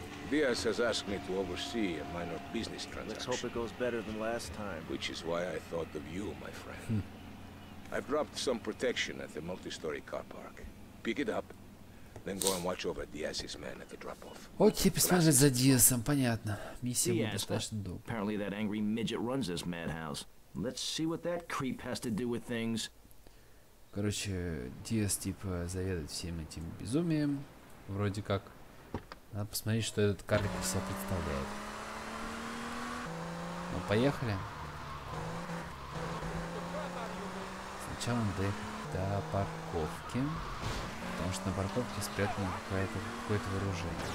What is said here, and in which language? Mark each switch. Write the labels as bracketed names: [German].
[English] Diaz has asked me to oversee a minor business transaction. Let's hope it goes better than last time. Which is why I thought of you, my friend. I've dropped some protection at the multi-story car park. Pick it up, then go and watch over Diaz's men at the drop-off. [Russian] Окей, посмотреть за Диасом, понятно. Миссия будет достаточно долгой. [English] Apparently that angry midget runs this madhouse. Let's see what that creep has to do with things. [Russian] Короче, Диас типа заведует всем этим безумием, вроде как. Надо посмотреть, что этот карлик из себя представляет. Ну, поехали. Сначала надо доехать до парковки. Потому что на парковке спрятано какое-то вооружение.